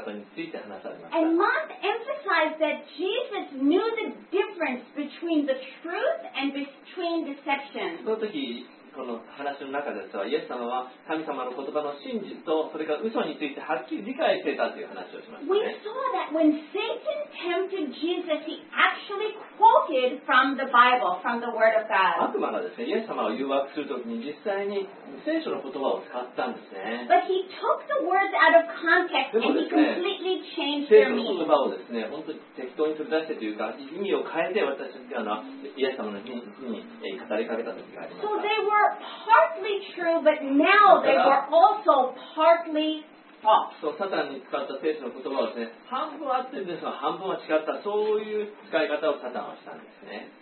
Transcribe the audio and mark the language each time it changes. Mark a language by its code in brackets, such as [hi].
[en] And Mark emphasized that Jesus knew the difference between the truth and between deception. [ja] この話の中ですが、イエス様は神様の言葉の真実とそれから嘘についてはっきり理解していたという話をしましたね。 [en] We saw that when Satan tempted Jesus, he actually quoted from the Bible, from the Word of God. [ja] 悪魔がですね、イエス様を誘惑するときに実際に聖書の言葉を使ったんですね。 [en] But he took the words out of context and he completely changed their meaning. [ja] 聖書の言葉をですね、本当に適当に取り出してというか、意味を変えて私たちがイエス様の真実に語りかけたときがありました。 [en] Were partly true, but now they were also partly false. [ja] So, Satan に使った聖書の言葉はですね、半分合ってるんですが、半分は違った。そういう使い方をサタンはしたんですね。